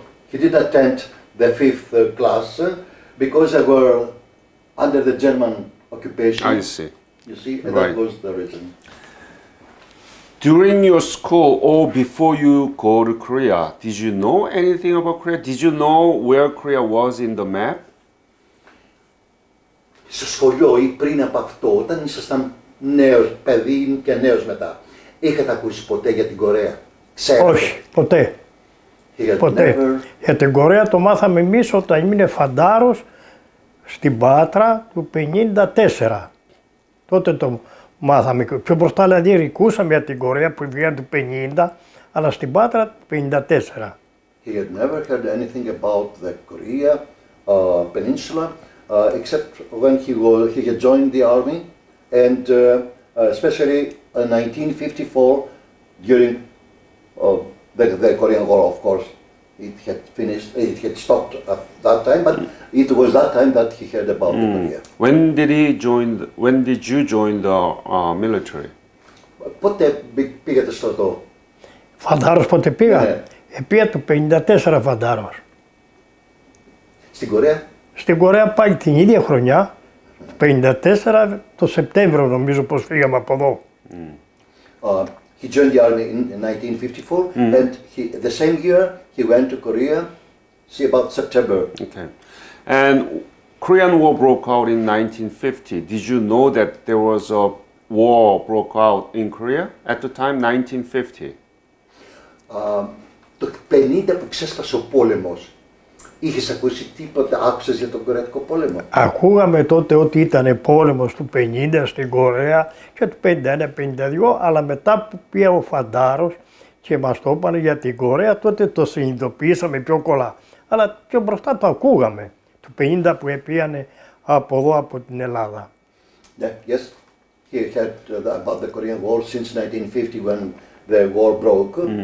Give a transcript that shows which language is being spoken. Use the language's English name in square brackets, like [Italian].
[English] He didn't attend the fifth class because they were under the German occupation. I see. You see, right. That was the reason. During your school or before you go to Korea, did you know anything about Korea? Did you know where Korea was in the map? [Greek] Στο σχολείο ή πριν από αυτό, όταν ήσασταν νέος παιδί και νέος μετά, είχατε ακούσει ποτέ για την Κορέα? Ξέρετε. Όχι, ποτέ. Ποτέ. Για την Κορέα το μάθαμε εμείς όταν ήμουν φαντάρος στην Πάτρα του 54. Τότε το μάθαμε. Πιο μπροστά δηλαδή ρικούσαμε για την Κορέα που βγήκε του 50, αλλά στην Πάτρα του 54. He had never heard anything about the Korea peninsula. Except when he had joined the army, and especially in 1954, during the Korean War, of course, it had stopped at that time. But it was that time that he heard about Korea. When did you join the military? Πότε πήγατε στρατό? Φαντάρος πότε πήγα? Πήγα το 54 φαντάρος. Στην Κορέα? Στην Κορέα πάλι την ίδια χρονιά, το 54, το Σεπτέμβριο νομίζω πως φύγαμε από εδώ. He joined the army in 1954 and the same year he went to Korea, see about September. Okay. And Korean War broke out in 1950. Did you know that there was a war broke out in Korea at the time, 1950? Το 50 που ξέσπασε ο πόλεμος. Είχες ακούσει τίποτα, άκουσες για τον Κορεατικό πόλεμο? Ακούγαμε τότε ότι ήταν πόλεμος του 50 στην Κορέα και του 51-52, αλλά μετά που πήγε ο φαντάρος και μας το είπαν για την Κορέα, τότε το συνειδητοποιήσαμε πιο κολλά. Αλλά πιο μπροστά το ακούγαμε, του 50 που πήγανε από εδώ, από την Ελλάδα. Ναι, yes. [English] He heard about the Korean War since 1950 when the war broke.